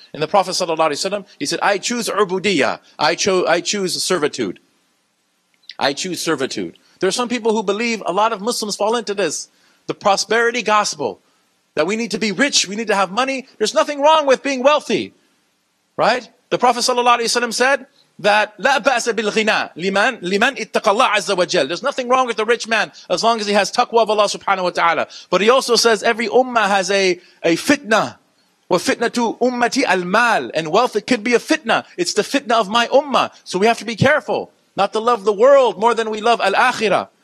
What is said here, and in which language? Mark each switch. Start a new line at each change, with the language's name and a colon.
English: And the Prophet sallallahu alaihi wasallam, he said, I choose ubudiyyah. I choose servitude. I choose servitude. There are some people who believe, a lot of Muslims fall into this, the prosperity gospel, that we need to be rich, we need to have money. There's nothing wrong with being wealthy, right? The Prophet sallallahu alaihi wasallam said that
Arabic: لا بأس بالغنى لمن اتقى الله عز وجل.
English: There's nothing wrong with the rich man as long as he has taqwa of Allah subhanahu wa ta'ala. But he also says every ummah has a fitna.
Arabic: وفتنة أمتي المال.
English: And wealth, it could be a fitna. It's the fitna of my ummah. So we have to be careful not to love the world more than we love al-akhirah.